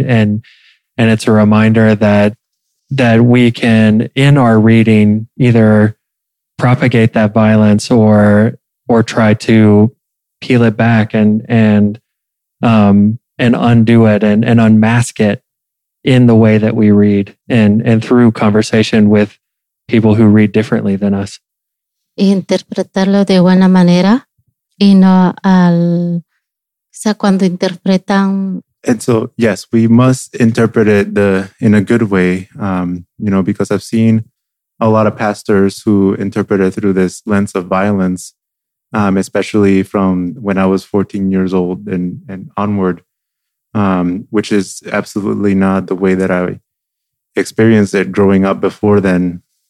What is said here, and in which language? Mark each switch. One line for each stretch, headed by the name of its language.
English: And it's a reminder that we can, in our reading, either propagate that violence or try to peel it back and undo it and unmask it in the way that we read and through conversation with people who read differently than us.
Spanish: Interpretarlo de buena manera y no al, o sea, cuando interpretan.
English: And so, yes, we must interpret it in a good way, you know, because I've seen a lot of pastors who interpret it through this lens of violence, especially from when I was 14 years old and onward, which is absolutely not the way that I experienced it growing up before then.